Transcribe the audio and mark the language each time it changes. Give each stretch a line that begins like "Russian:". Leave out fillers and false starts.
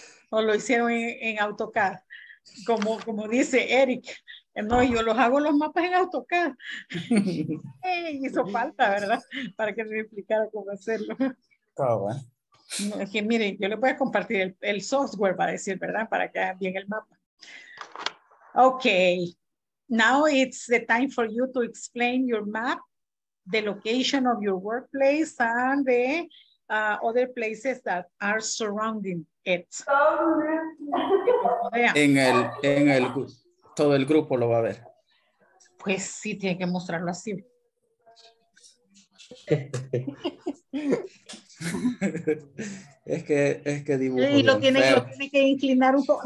Spanish: O lo hicieron en AutoCAD. Como dice Eric. No, yo los hago los mapas en AutoCAD. Hey, hizo falta, ¿verdad? Para que me explicara cómo hacerlo. Todo bueno. Es que miren, yo le voy a compartir el software, va a decir, ¿verdad? Para que hagan bien el mapa.
English: Okay, now it's the time for you to explain your map, the location of your workplace, and the other places that are surrounding it.
Spanish: Oh, en el todo el grupo lo va a ver. Pues sí, tiene que mostrarlo así. es que dibujo. Y lo tiene que inclinar un poco.